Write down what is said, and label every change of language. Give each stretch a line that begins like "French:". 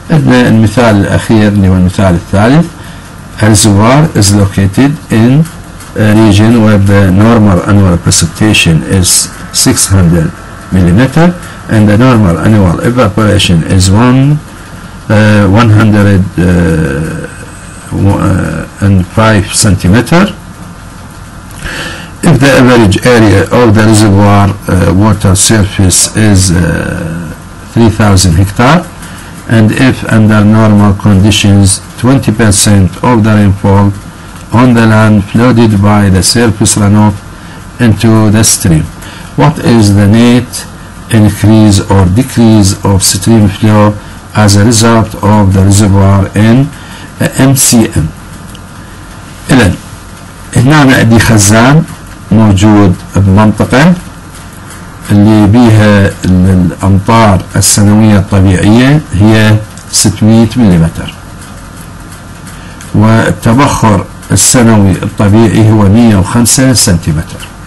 Arabic: المثال الأخير اللي هو المثال الثالث.
English: الزوار is located in a region where the normal annual precipitation is 600 mm and the normal annual evaporation is 105 centimeter. If the average area of the reservoir water surface is 3000 hectare, and if under normal conditions 20% of the rainfall on the land flooded by the surface runoff into the stream, what is the net increase or decrease of stream flow as a result of the reservoir in MCM?
Arabic: إذن هنا عندي خزان موجود بمنطقة اللي بيها الأمطار السنوية الطبيعية هي 600 ملليمتر، والتبخر السنوي الطبيعي هو 105 سنتيمتر.